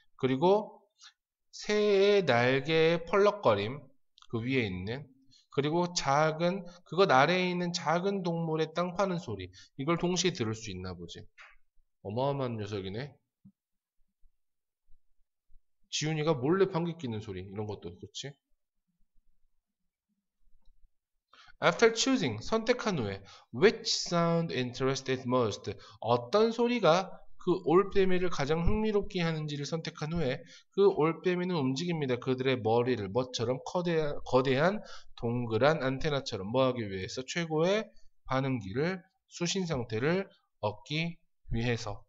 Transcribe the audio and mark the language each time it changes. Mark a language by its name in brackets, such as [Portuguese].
[Korean] 그리고 새의 날개의 펄럭거림. 그 위에 있는. 그리고 작은, 그것 아래에 있는 작은 동물의 땅 파는 소리. 이걸 동시에 들을 수 있나 보지. 어마어마한 녀석이네. 지훈이가 몰래 방귀 뀌는 소리. 이런 것도 그렇지. [English] After choosing, [Korean] 선택한 후에, [English] which sound interested most? [Korean] 어떤 소리가 그 올빼미를 가장 흥미롭게 하는지를 선택한 후에, 그 올빼미는 움직입니다. 그들의 머리를 뭐처럼 거대한 동그란 안테나처럼 뭐 하기 위해서 최고의 반응기를, 수신 상태를 얻기 위해서.